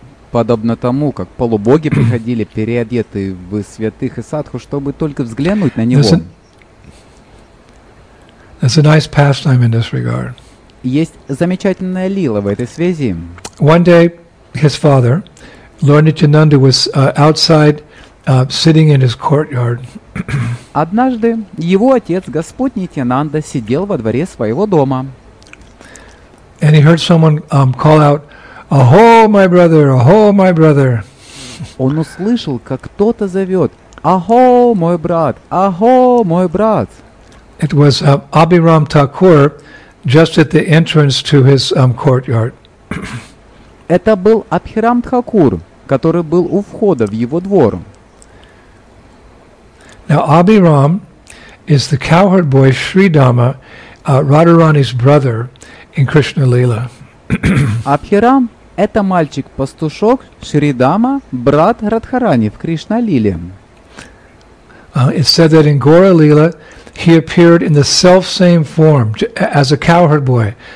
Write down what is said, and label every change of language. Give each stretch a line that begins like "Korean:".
Russian: Подобно тому, как полубоги приходили переодетые в святых и садху, чтобы только взглянуть на него.
English: It's a nice pastime in this regard.
Russian: Есть замечательная лила в этой связи.
English: One day, his father, Lord Nityananda, was outside, sitting in his courtyard.
Russian: Однажды его отец, Господь Нитьянанда, сидел во дворе своего дома.
English: And he heard someone call out, "Aho, my brother! Aho, my brother!"
Russian: Он услышал, как кто-то зовет, "Aho, мой брат! Aho, мой брат!"
English: It was Abhiram Thakur, just at the entrance to his courtyard.
Russian: Это был Абхирам Тхакур, который был у входа в его двор.
English: Now Abhiram is the cowherd boy Shridama, Radharani's brother in Krishna Lila.
Russian: Абхирам – это мальчик-пастушок Шридама, брат Радхарани в Кришна Лиле.
English: It's said that in Gaura Lila, he appeared in the self-same form as a cowherd boy.